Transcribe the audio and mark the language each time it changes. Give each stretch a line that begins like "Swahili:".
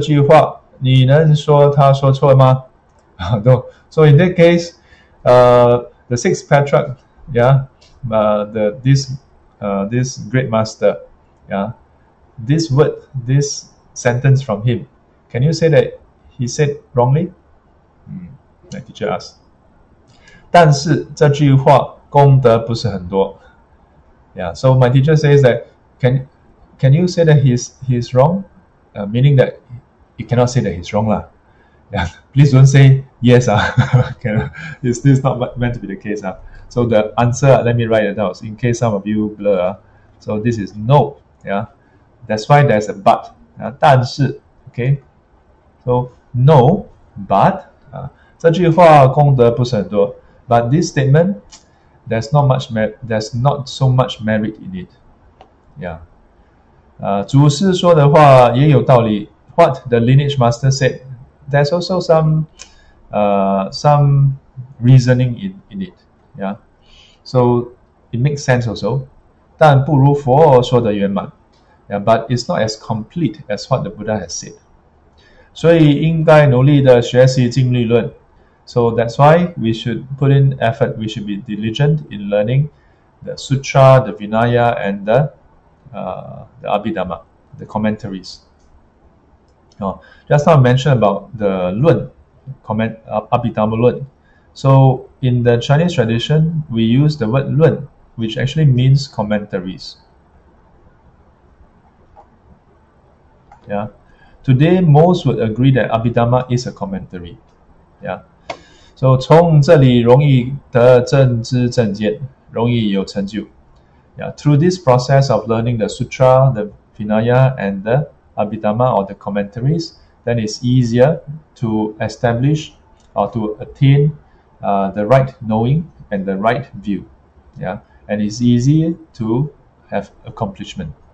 Chinese: 那六祖大师这句话，你能说他说错吗？
English: No. So in that case, the sixth Patriarch, yeah, this great master, yeah, this word, this sentence from him, can you say that he said wrongly? My teacher asked.
Chinese: 但是这句话功德不是很多.
English: Yeah, so my teacher says that can you say that he's wrong? Meaning that you cannot say that he's wrong lah. Yeah, please don't say yes this is not meant to be the case So the answer, let me write it down in case some of you blur So this is no. Yeah, that's why there's a but.
Chinese: 但是,
English: okay. So no, but
Chinese: 这句话功德不是很多.
English: But this statement, there's not so much merit in it. Yeah.
Chinese: 祖师说的话也有道理.
English: What the lineage master said, there's also some reasoning in it. Yeah. So it makes sense also.
Chinese: 但不如佛说的圆满.
English: Yeah, but it's not as complete as what the Buddha has said.
Chinese: 所以应该努力的学习经律论.
English: So that's why we should put in effort. We should be diligent in learning the sutra, the Vinaya, and the Abhidhamma, the commentaries. Oh, just now I mentioned about the Lun, comment Abhidhamma Lun. So in the Chinese tradition, we use the word Lun, which actually means commentaries. Yeah. Today, most would agree that Abhidhamma is a commentary. Yeah. So
Chinese: 从这里容易得正知正见，容易有成就.
English: Yeah, through this process of learning the sutra, the Vinaya, and the Abhidhamma or the commentaries, then it's easier to establish or to attain the right knowing and the right view. Yeah, and it's easy to have accomplishment.